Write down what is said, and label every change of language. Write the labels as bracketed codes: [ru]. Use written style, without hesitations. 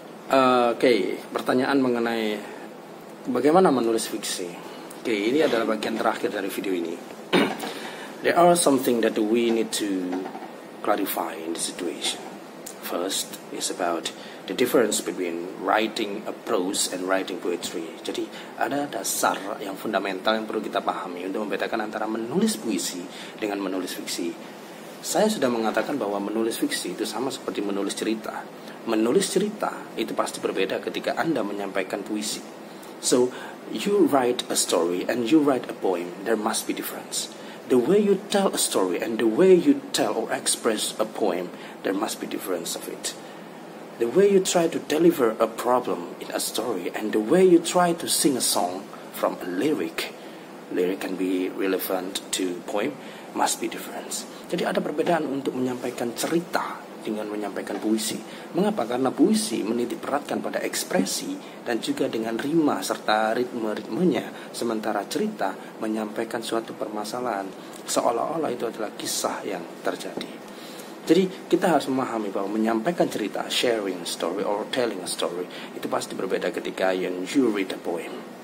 [id] Oke, pertanyaan mengenai bagaimana menulis fiksi. Oke, ini adalah bagian terakhir dari video ini. [en] There are something that we need to clarify in the situation. First is about the difference between writing a prose and writing poetry. [id] Jadi ada dasar yang fundamental yang perlu kita pahami untuk membedakan antara menulis puisi dengan menulis fiksi. Saya sudah mengatakan bahwa menulis fiksi itu sama seperti menulis cerita. Menulis cerita itu pasti berbeda ketika Anda menyampaikan puisi. [en] So, you write a story and you write a poem, there must be difference. The way you tell a story and the way you tell or express a poem, there must be difference of it. The way you try to deliver a problem in a story and the way you try to sing a song from a lyric can be relevant to poem, must be difference. [id] Jadi ada perbedaan untuk menyampaikan cerita dengan menyampaikan puisi. Mengapa? Karena puisi menitikberatkan pada ekspresi dan juga dengan rima serta ritme-ritmenya, sementara cerita menyampaikan suatu permasalahan seolah-olah itu adalah kisah yang terjadi. Jadi kita harus memahami bahwa menyampaikan cerita, [en] sharing story or telling a story, [id] itu pasti berbeda ketika [en] you read a poem.